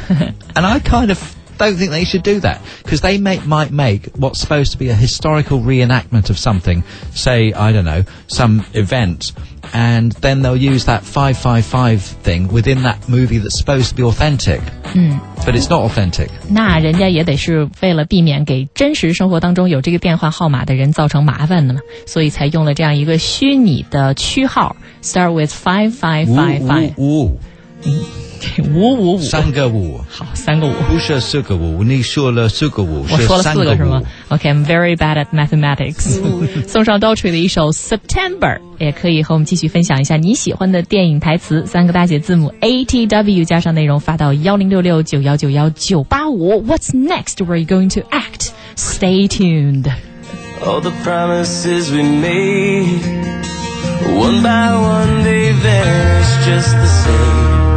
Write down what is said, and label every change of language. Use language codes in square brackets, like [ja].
[en] And I kind of don't think they should do that. Because they might make what's supposed to be a historical reenactment of something. Say, I don't know, some event. And then they'll use that 555 thing within that movie that's supposed to be authentic,but it's not authentic. [zh] 那人家也得是为了避免给真实生活当中有这个电话号码的人造成麻烦的嘛，所以才用了这样一个虚拟的区号 ， [en] start with 5555。 [zh] 五五五，五五五，三个五。好，三个五。不是四个五，你说了四个五，我说了四个是吗 [en] ？Okay, I'm very bad at mathematics. [zh] 送上 Daughtry 的一首 September。也可以和我们继续分享一下你喜欢的电影台词，三个大写字母 ATW 加上内容发到10669191985。 [en] What's next? Where are you going to act? Stay tuned. All the promises we made, one by one they vanish just the same.